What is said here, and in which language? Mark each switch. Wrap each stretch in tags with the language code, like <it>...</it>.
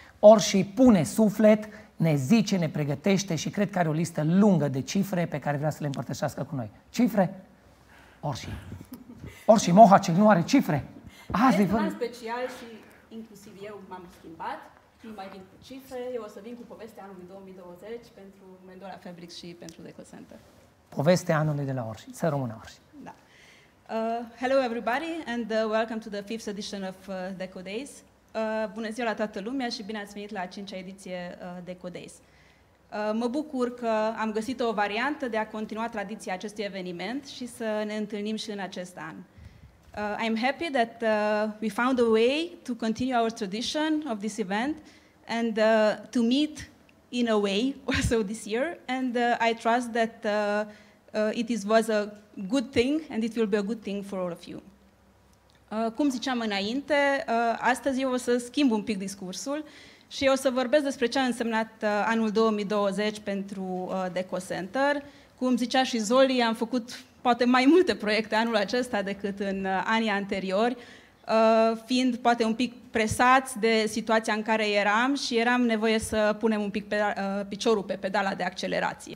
<ro>Orși pune suflet, ne zice, ne pregătește și cred că are o listă lungă de cifre pe care vrea să le împărtășească cu noi. Cifre? Orși. Orși Mohace nu are cifre. Azi vă... special și inclusiv eu m-am schimbat, nu mai vin cu cifre, eu o să vin cu povestea anului 2020 pentru Mendola Fabric și pentru Deco Center. Povestea anului de la Orși. Să rămână Orși. Da.</ro> <en>Hello everybody and welcome to the fifth edition of Deco Days.</en> <ro>Bună ziua la toată lumea și bine ați venit la a cincea ediție Deco Days. Mă bucur că am găsit o variantă de a continua tradiția acestui eveniment și să ne întâlnim și în acest an.</ro> <en>I'm happy that we found a way to continue our tradition of this event and to meet in a way also this year. And I trust that it was a good thing and it will be a good thing for all of you.</en> <ro>Cum ziceam înainte, astăzi eu o să schimb un pic discursul și o să vorbesc despre ce a însemnat anul 2020 pentru Deco Center. Cum zicea și Zoli, am făcut poate mai multe proiecte anul acesta decât în anii anteriori, fiind poate un pic presați de situația în care eram și eram nevoie să punem un pic piciorul pe pedala de accelerație.</ro>